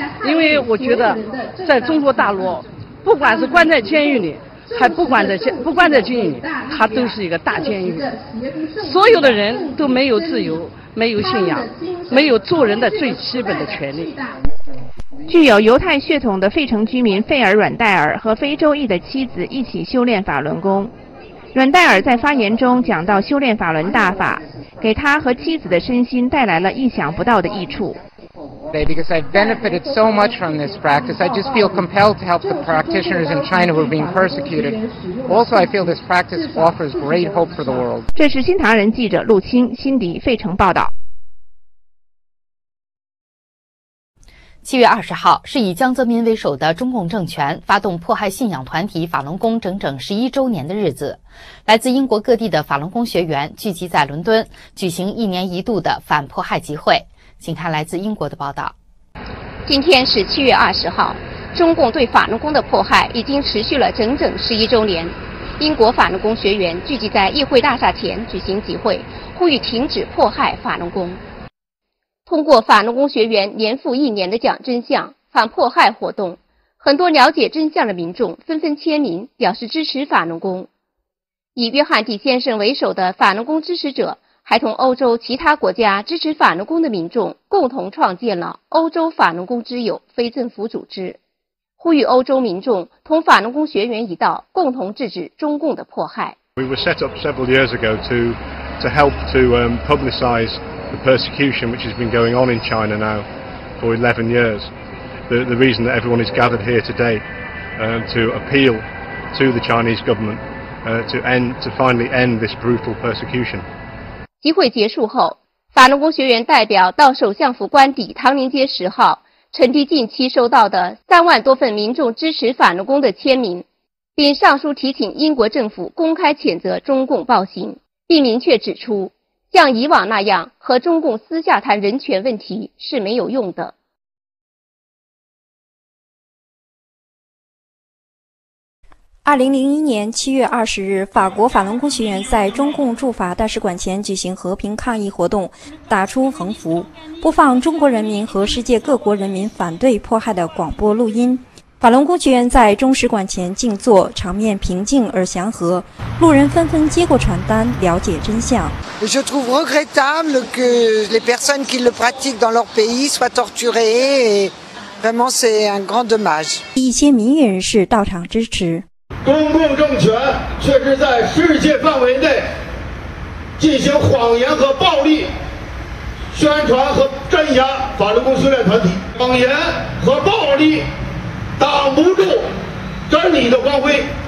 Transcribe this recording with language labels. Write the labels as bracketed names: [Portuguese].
[Chinese] 因为我觉得在中国大陆，不管是关在监狱里还不关在监狱里，它都是一个大监狱，所有的人都没有自由，没有信仰，没有做人的最基本的权利。具有犹太血统的费城居民费尔·阮戴尔和非洲裔的妻子一起修炼法轮功。阮戴尔在发言中讲到修炼法轮大法给他和妻子的身心带来了意想不到的益处。 [English] Because I've benefited so much from this practice, I just feel compelled to help the practitioners in China who are being persecuted. Also, I feel this practice offers great hope for the world. [Chinese] 这是新唐人记者陆青、辛迪，费城报道。 7月20号是以江泽民为首的中共政权发动迫害信仰团体法轮功整整11周年的日子。来自英国各地的法轮功学员聚集在伦敦，举行一年一度的反迫害集会。请看来自英国的报道。今天是7月20号，中共对法轮功的迫害已经持续了整整11周年。英国法轮功学员聚集在议会大厦前举行集会，呼吁停止迫害法轮功。通过法轮功学员年复一年的讲真相、反迫害活动，很多了解真相的民众纷纷签名表示支持法轮功。以约翰蒂先生为首的法轮功支持者还同欧洲其他国家支持法轮功的民众共同创建了欧洲法轮功之友非政府组织，呼吁欧洲民众同法轮功学员一道共同制止中共的迫害。 [English] We were set up several years ago to help to publicize the persecution which has been going on in China now for 11 years. The reason that everyone is gathered here today to appeal to the Chinese government to finally end this brutal persecution. [Chinese] 集会结束后，法轮功学员代表到首相府官邸唐宁街10号传递近期收到的3万多份民众支持法轮功的签名，并上书提请英国政府公开谴责中共暴行，并明确指出像以往那样和中共私下谈人权问题是没有用的。 2001年7月20日，法国法轮功学员在中共驻法大使馆前举行和平抗议活动，打出横幅，播放中国人民和世界各国人民反对迫害的广播录音。法轮功学员在中使馆前静坐，场面平静而祥和，路人纷纷接过传单，了解真相。 [French] Je trouve regrettable que les personnes qui le pratiquent dans leur pays soient torturées. Vraiment, c'est un grand dommage. [Chinese] 一些民意人士到场支持。公共政权却是在世界范围内进行谎言和暴力宣传和镇压法轮功修炼团体，谎言和暴力挡不住真理的光辉。